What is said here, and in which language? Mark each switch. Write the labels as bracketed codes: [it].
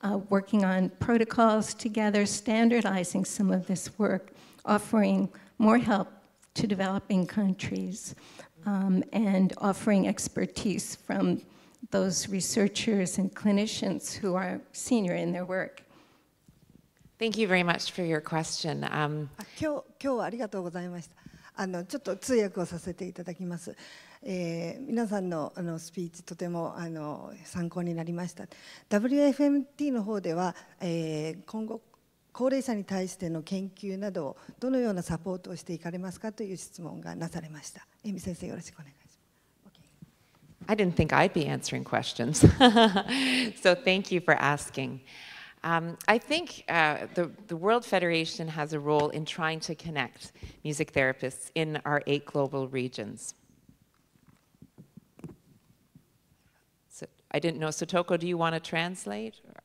[en] working on protocols together, standardizing some of this work, offering more help to developing countries, and offering expertise from those researchers and clinicians who are senior in their work. Thank you very much for your question. [ja] 今日はありがとうございました。ちょっと通訳をさせていただきます。皆さん のスピーチとても参考になりました。 WFMT の方では、今後高齢者に対しての研究などをどのようなサポートをしていかれますかという質問がなされました。エミ先生よろしくお願いします。 [en] Okay. I didn't think I'd be answering questions. So thank you for asking. I think the World Federation has a role in trying to connect music therapists in our 8 global regions. I didn't know. Sotoko, do you want to translate?